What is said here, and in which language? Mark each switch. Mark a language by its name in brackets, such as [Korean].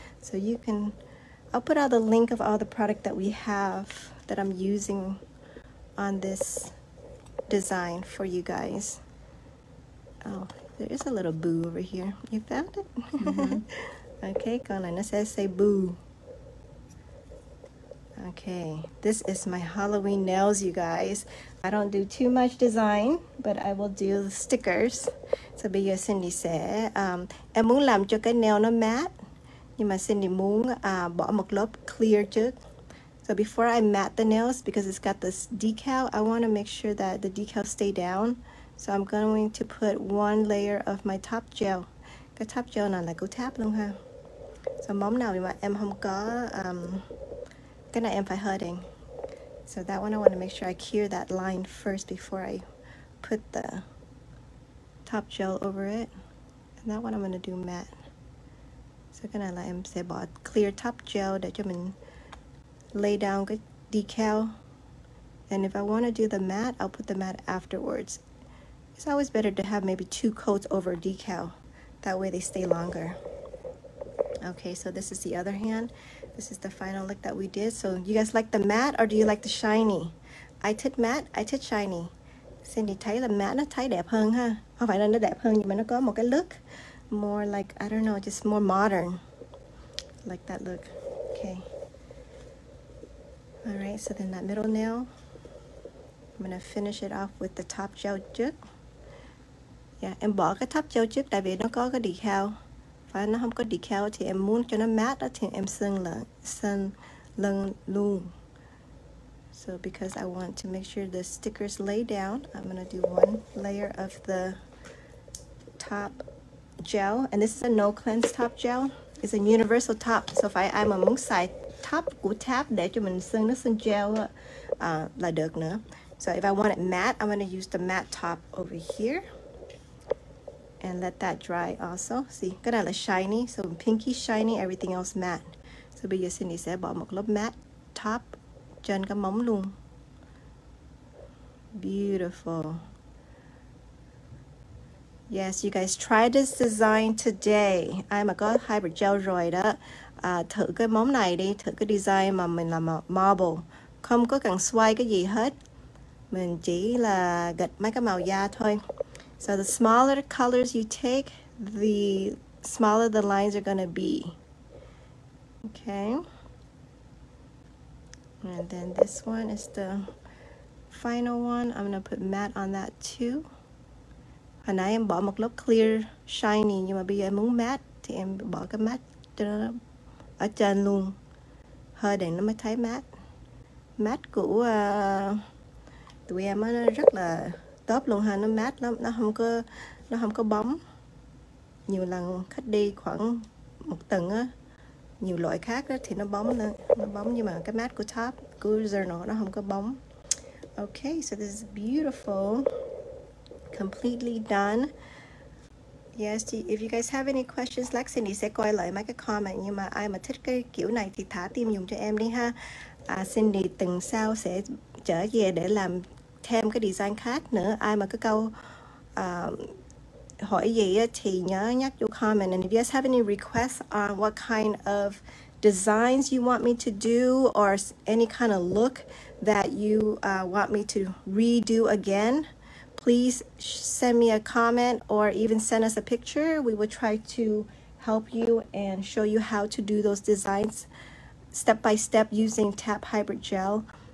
[English] So you can, I'll put out the link of all the product that we have that I'm using on this design for you guys. Oh, there is a little boo over here. You found it? Mm-hmm. [Vietnamese] Okay, con này nó sẽ [English] say boo. Okay, this is my Halloween nails, you guys. I don't do too much design, but I will do the stickers. [Vietnamese] So bây giờ Cindy sẽ em muốn làm cho cái nail nó matte, nhưng mà Cindy muốn bỏ một lớp clear trước. [English] So before I matte the nails, because it's got this decal, I want to make sure that the decal stay down. So I'm going to put one layer of my top gel. [Vietnamese] Cái top gel này là của T.A.P luôn ha. So móng nào mà em không có cái này em phải hurting. [English] So that one I want to make sure I cure that line first before I put the top gel over it. And that one I'm going to do matte. [Vietnamese] So cái này là em sẽ bỏ clear top gel để cho mình [English] lay down [Vietnamese] cái decal. [English] And if I want to do the matte, I'll put the matte afterwards. It's always better to have maybe two coats over decal. That way they stay longer. Okay, so this is the other hand. This is the final look that we did. So you guys like the matte or do you like the shiny? I took matte, I took shiny. [Vietnamese] Cindy thấy là matte nó thấy đẹp hơn ha. Không phải là nó đẹp hơn, nhưng mà nó có một cái [English] look more like, I don't know, just more modern. I like that look. Okay. All right, so then that middle nail, I'm gonna finish it off with the top gel chip. [Vietnamese] Yeah, em bỏ cái top gel chip tại vì nó có cái decal. Phải nó không có decal thì em muốn cho nó matte thì em sơn lần luôn. [English] So because I want to make sure the stickers lay down, I'm gonna do one layer of the top gel. And this is a no cleanse top gel. It's a universal top. [Vietnamese] So phải ai mà muốn xài top của T.A.P để cho mình sơn nó sơn gel là được nữa. [English] So if I want it matte, I'm gonna use the matte top over here. And let that dry also. See, [Vietnamese] cái này là [English] shiny, so pinky shiny, everything else matte. [Vietnamese] So bây giờ Cindy sẽ bỏ một lớp matte top trên cái móng luôn. [English] Beautiful. Yes, you guys try this design today. I'm a god hybrid gel [Vietnamese] rồi đó. Thử cái móng này đi, thử cái design mà mình làm marble. Không có cần xoay cái gì hết. Mình chỉ là gạch mấy cái màu da thôi. [English] So the smaller colors you take, the smaller the lines are gonna be. Okay. And then this one is the final one. I'm gonna put matte on that too. [Vietnamese] Hồi nãy em bỏ một lớp clear shiny, nhưng mà bây giờ em muốn matte thì em bỏ cái matte ở trên luôn. Hơi để nó mới thấy matte. Matte của tụi em nó rất là top luôn ha, nó mát lắm, nó không có bóng. Nhiều lần khách đi khoảng một tuần á, nhiều loại khác đó thì nó bóng nhưng mà cái mát của top của journal nó không có bóng. [English] Okay, so this is beautiful, completely done. Yes, if you guys have any questions, like [Vietnamese] Cindy sẽ coi lại mấy cái comment. Nhưng mà ai mà thích cái kiểu này thì thả tim dùng cho em đi ha. Cindy tuần sau sẽ trở về để làm thêm cái design khác nữa. Ai mà có câu hỏi gì thì nhớ nhắc vô comment. [English] And if you guys have any requests on what kind of designs you want me to do or any kind of look that you want me to redo again, please send me a comment or even send us a picture. We will try to help you and show you how to do those designs step by step using T.A.P hybrid gel.